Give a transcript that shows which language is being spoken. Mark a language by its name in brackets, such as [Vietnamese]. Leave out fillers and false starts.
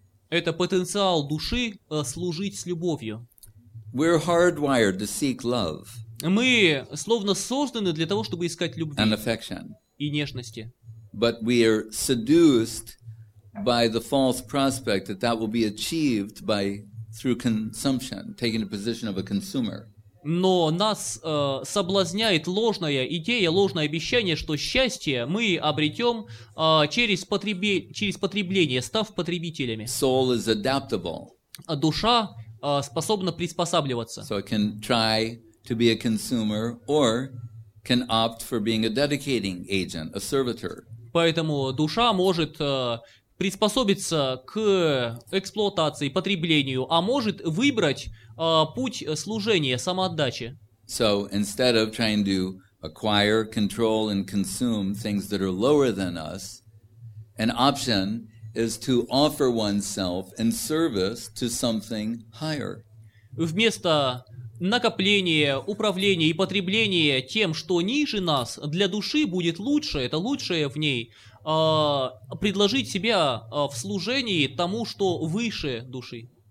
[Russian] Это потенциал души служить с любовью. [English] We're hardwired to seek love. [Russian] Мы словно созданы для того, чтобы искать любви. [English] And affection. [Russian] И нежности. [English] But we are seduced by the false prospect that that will be achieved by through consumption, taking the position of a consumer. [Russian] Но нас соблазняет ложная идея, ложное обещание, что счастье мы обретем через потребление, став потребителями. [English] Soul is adaptable. [Russian] А душа способна приспосабливаться. [English] So it can try to be a consumer or can opt for being a dedicating agent, a servitor. [Russian] Поэтому душа может приспособиться к эксплуатации, потреблению, а может выбрать путь служения, самоотдачи. [English] So instead of trying to acquire, control and consume things that are lower than us, an option is to offer oneself in service to something higher. [Russian] Вместо накопления, управления и потребления тем, что ниже нас, для души будет лучше, это лучшее в ней, предложить себя в служении тому, что выше души.